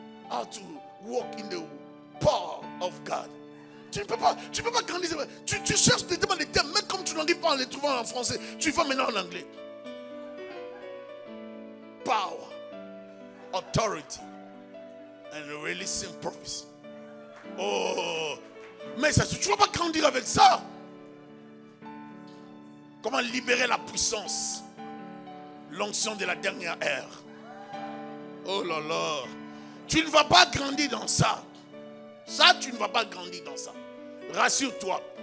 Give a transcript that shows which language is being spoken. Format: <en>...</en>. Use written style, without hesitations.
<en>How to walk in the power of God.</en> <fr>Tu ne peux pas grandir. Tu cherches tellement les termes, mais comme tu n'arrives pas à les trouver en français, tu vas maintenant en anglais.</fr> <en>Power, authority, and releasing purpose.</en> <fr>Oh, mais ça, tu ne vas pas grandir avec ça. Comment libérer la puissance, l'onction de la dernière ère? Oh là là, tu ne vas pas grandir dans ça. Ça, tu ne vas pas grandir dans ça. Rassure-toi.</fr>